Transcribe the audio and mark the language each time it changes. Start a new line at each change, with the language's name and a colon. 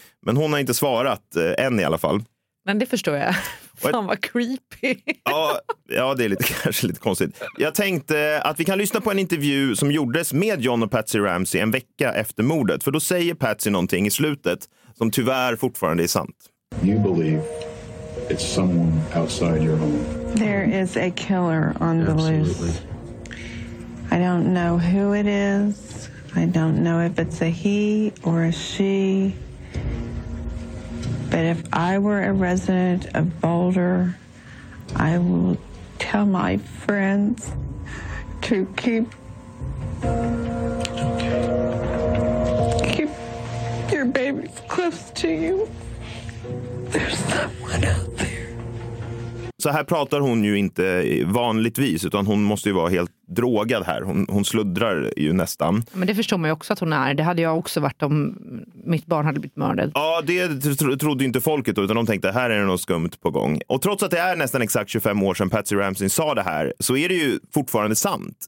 Swedish: Men hon har inte svarat än i alla fall. Men det förstår jag. Fan vad creepy. Ja, det är kanske lite konstigt. Jag tänkte att vi kan lyssna på en intervju som gjordes med John och Patsy Ramsey en vecka efter mordet. För då säger Patsy någonting i slutet som tyvärr fortfarande är sant.
English: You believe it's someone outside your home. There is a killer on the loose. I don't know who it is. I don't know if it's a he or a she. But if I were a resident of Boulder, I would tell my friends to keep your babies close to you. There's someone out there.
Swedish: Så här pratar hon ju inte vanligtvis, utan hon måste ju vara helt drogad här. Hon sluddrar ju nästan. Men det förstår man ju också att hon är. Det hade jag också varit om mitt barn hade blivit mördad. Ja, det trodde inte folket då, utan de tänkte här är det något skumt på gång. Och trots att det är nästan exakt 25 år sedan Patsy Ramsey sa det här, så är det ju fortfarande sant.